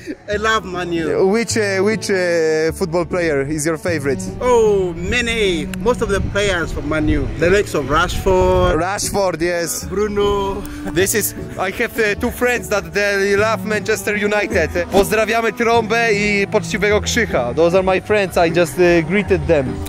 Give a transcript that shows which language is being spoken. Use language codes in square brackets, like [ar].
[en] I love Man U. Which football player is your favorite? Oh, many. Most of the players from Man U. The likes of Rashford. Rashford, yes. Bruno. I have two friends that they love Manchester United. [pl] Pozdrawiamy Trąbę I Poczciwego Krzycha. [en] Those are my friends, I just greeted them.